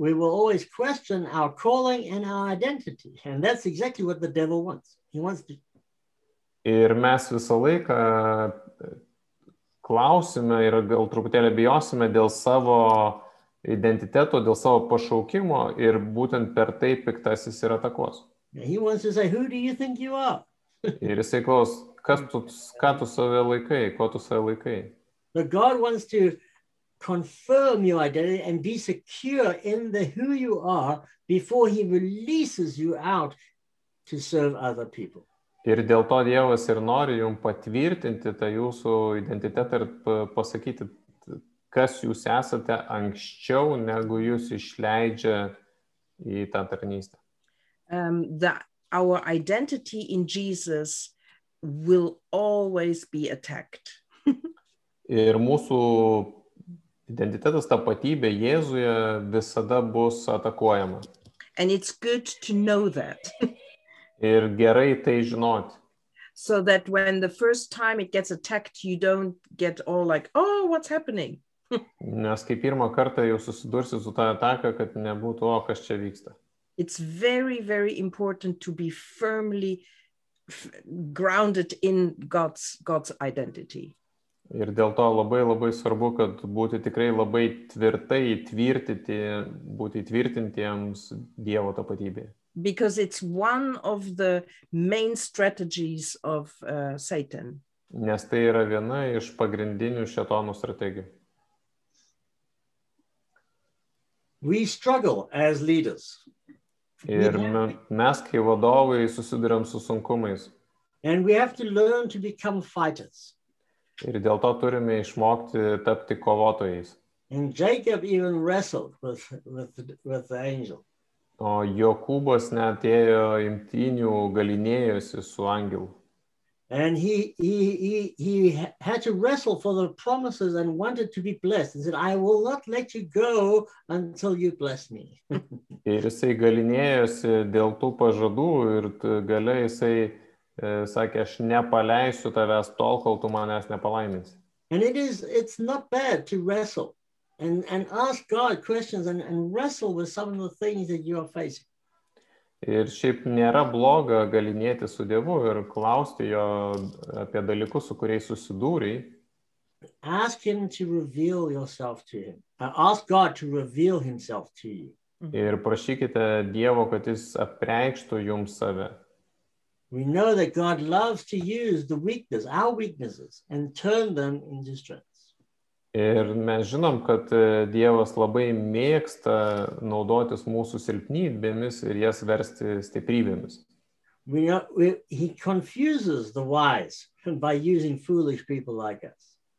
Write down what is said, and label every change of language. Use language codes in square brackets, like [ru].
[en] We will always question our calling and our identity, and that's exactly what the devil wants. He wants to. [lt] Ir mes visą laiką klausime ir gal truputėlį bijosime dėl savo identiteto, dėl savo pašaukimo, ir būtent per tai piktasis ir atakos. [en] He wants to say, who do you think you are? [lt] Ir jisai klaus, ką tu save laikai, ko tu save laikai? [en] But God wants to confirm your identity and be secure in the who you are before he releases you out to serve other people. [lt] Ir dėl to Dievas ir nori jum patvirtinti tą jūsų identitetą ir pasakyti, kas jūs esate anksčiau, negu jūs išleidžia į tą tarnystę. [en] Our identity in Jesus will always be attacked. [lt] Ir mūsų identitetas, tapatybė Jėzuje visada bus atakuojama. [en] And it's good to know that. [lt] Ir gerai tai žinoti. [en] So that when the first time it gets attacked, you don't get all like, oh, what's happening? [lt] Nes kai pirmą kartą jau susidursi su tą ataką, kad nebūtų, o kas čia vyksta. [en] It's very, very important to be firmly grounded in God's identity. [lt] Ir dėl to labai, labai svarbu, kad būti tikrai labai tvirtai įtvirtintiems Dievo tapatybėje. [en] Because it's one of the main strategies of Satan. [lt] Nes tai yra viena iš pagrindinių šetonų strategijų. [en] We struggle as leaders. [lt] Ir mes, kai vadovai, susiduriam su sunkumais. [en] And we have to learn to become fighters. [lt] Ir dėl to turime išmokti tapti kovotojais. [en] And Jacob even wrestled with the angel. [lt] O Jokūbas netėjo imtynių galinėjosi su angelu. [en] And he had to wrestle for the promises and wanted to be blessed. He said, I will not let you go until you bless me. [lt] Ir jisai galinėjosi dėl tų pažadų ir galia jisai sakė, aš nepaleisiu tavęs tol, kol tu manęs nepalaiminsi. [en] And it's not bad to wrestle. And ask God questions and wrestle with some of the things that you are facing. [lt] Ir šiaip nėra bloga galinėti su Dievu ir klausti jo apie dalykus, su kuriais susidūrei. [en] Ask him to reveal yourself to him. Ask God to reveal himself to you. [lt] Ir prašykite Dievo, kad jis apreikštų jums save. [en] We know that God loves to use the weakness, our weaknesses, and turn them into strengths. [lt] Ir mes žinom, kad Dievas labai mėgsta naudotis mūsų silpnybėmis ir jas versti stiprybėmis. [en] He confuses the wise by using foolish people like us.